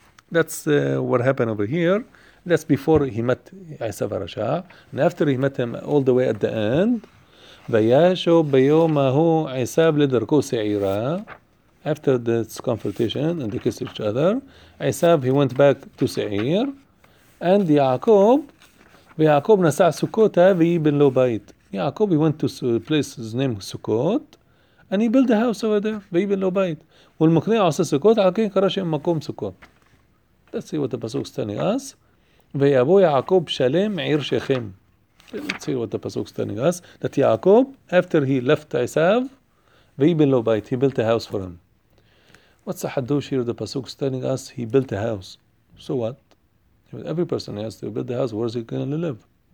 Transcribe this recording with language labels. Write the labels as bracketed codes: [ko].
[en] That's what happened over here. That's before he met Esav HaRasha, and after he met him all the way at the end, [he] וישוב ביום ההוא עשיו לדרכו סעירה, [en] after this confrontation and they kissed each other, עשיו, he went back to סעיר, and יעקב, [he] ויעקב נסע סוכותה והיא בן לו בית. [en] יעקב, he went to a place, his name was סוכות, and he built a house over there, [he] והיא בן לו בית. ולמקנה עושה סוכות, על כן קרא שם מקום סוכות. [en] Let's see what the pasuk telling us. [he] ויבוא יעקב שלם עיר שכם. [en] Let's see what the pasuk is telling us. That Yaakov, after he left Esav, he built a house for him. What's the hadush here? The pasuk is telling us he built a house. So what? Every person has to build a house. Where is he going to live?